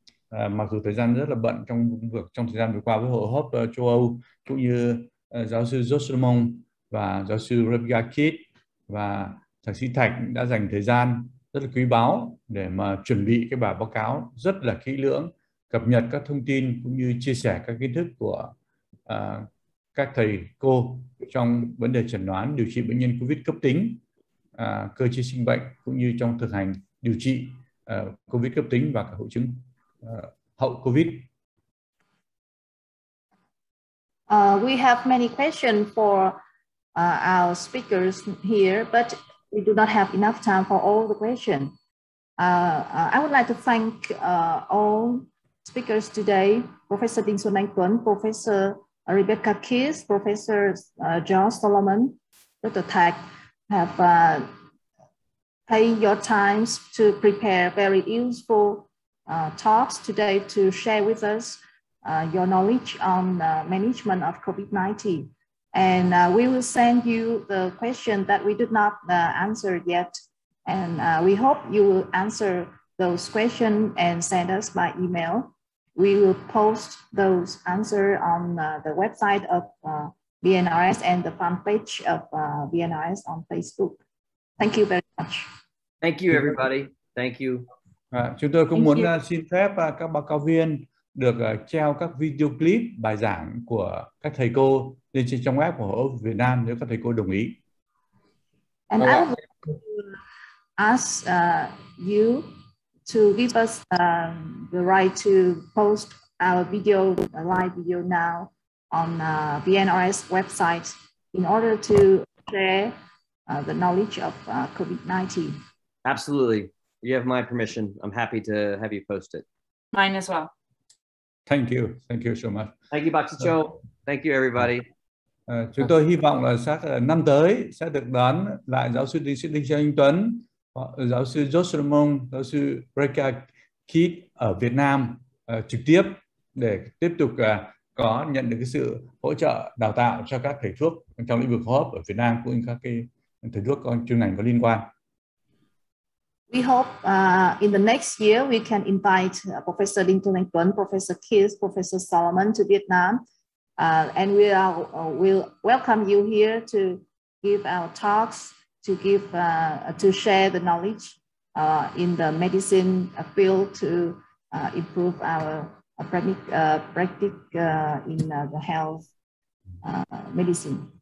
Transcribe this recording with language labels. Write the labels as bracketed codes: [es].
[vi] Mặc dù thời gian rất là bận trong việc trong thời gian vừa qua với Hội Hô hấp châu Âu, cũng như giáo sư George Solomon và giáo sư Rebecca Kitt và thạc sĩ Thạch đã dành thời gian rất là quý báu để mà chuẩn bị cái bản báo cáo rất là kỹ lưỡng, cập nhật các thông tin cũng như chia sẻ các kiến thức của các thầy cô trong vấn đề chẩn đoán điều trị bệnh nhân COVID cấp tính, cơ chế sinh bệnh cũng như trong thực hành điều trị COVID cấp tính và cả hội chứng hậu COVID. [en] We have many questions for our speakers here, but we do not have enough time for all the questions. I would like to thank all speakers today, Professor Đinh Xuân Anh Tuấn, Professor Rebecca Kiss, Professor John Solomon, Dr. Thạch, have paid your time to prepare very useful talks today to share with us your knowledge on management of COVID-19. And we will send you the question that we did not answer yet. And we hope you will answer those questions and send us by email. We will post those answers on the website of BNRS and the fan page of BNRS on Facebook. Thank you very much. Thank you, everybody. Thank you. [vi] Chúng tôi cũng muốn xin phép các báo cáo viên được treo các video clip bài giảng của các thầy cô lên trên trong web của Hội Hô hấp Việt Nam nếu các thầy cô đồng ý. [en] And I would like to ask you to give us the right to post our video, a live video now on BNRS website in order to share the knowledge of COVID-19. Absolutely. You have my permission. I'm happy to have you post it. Mine as well. Thank you. Thank you so much. Thank you, Bác sĩ Châu. Thank you, everybody. [vi] Chúng tôi hy vọng là sát năm tới sẽ được đón lại giáo sư Đinh Xuân Anh Tuấn, giáo sư George Solomon, giáo sư Rebecca Kitt ở Việt Nam trực tiếp để tiếp tục có nhận được cái sự hỗ trợ đào tạo cho các thầy thuốc trong lĩnh vực hô hấp ở Việt Nam cũng như các cái thầy thuốc có chuyên ngành có liên quan. [en] We hope in the next year we can invite Professor Đinh Thu Thanh Tuấn, Professor Kiss, Professor Solomon to Vietnam, and we are will welcome you here to give our talks, to give to share the knowledge in the medicine field to improve our practice in the health medicine.